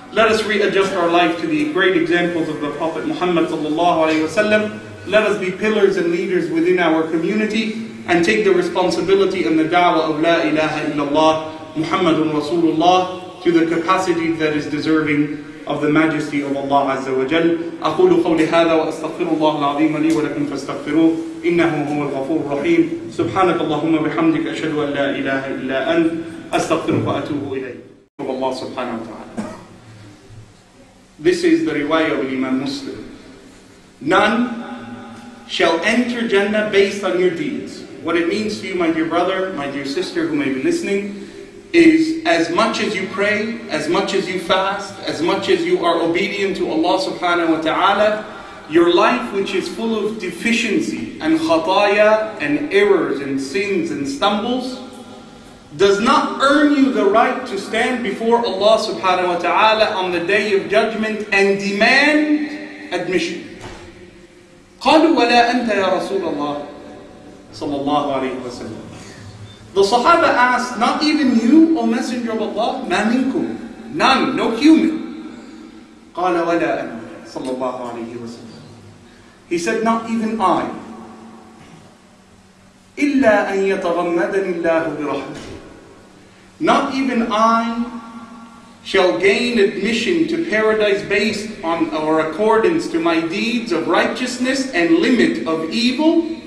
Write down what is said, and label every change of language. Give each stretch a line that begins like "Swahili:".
English: Let us readjust our life to the great examples of the Prophet Muhammad sallallahu alayhi wa sallam. Let us be pillars and leaders within our community and take the responsibility and the da'wah of La ilaha illallah, Muhammadun Rasulullah, to the capacity that is deserving of the majesty of Allah Azza wa Jal.
Arabic: أقول قولي هذا وأستغفر الله العظيم لي ولكم فاستغفروه إنه هو الغفور الرحيم سبحانك اللهم بحمدك أشهد أن لا إله إلا أنت أستغفرك وأتوب إليك. الله سبحانه وتعالى.
English: This is the riwayah of Imam Muslim. None shall enter Jannah based on your deeds. What it means to you, my dear brother, my dear sister who may be listening, is as much as you pray, as much as you fast, as much as you are obedient to Allah subhanahu wa ta'ala, your life which is full of deficiency and khataya and errors and sins and stumbles, does not earn you the right to stand before Allah subhanahu wa ta'ala on the day of judgment and demand admission.
Arabic: قالوا ولا أنت يا رسول الله صلى الله عليه وسلم
English: The Sahaba asked, not even you, O Messenger of Allah,
Arabic: ما منكم
English: None, no human.
Arabic: قال ولا أنا صلى الله عليه وسلم
English: He said, not even I.
Arabic: إلا أن يتغمدني الله برحمته
English: Not even I shall gain admission to paradise based on or accordance to my deeds of righteousness and limit of evil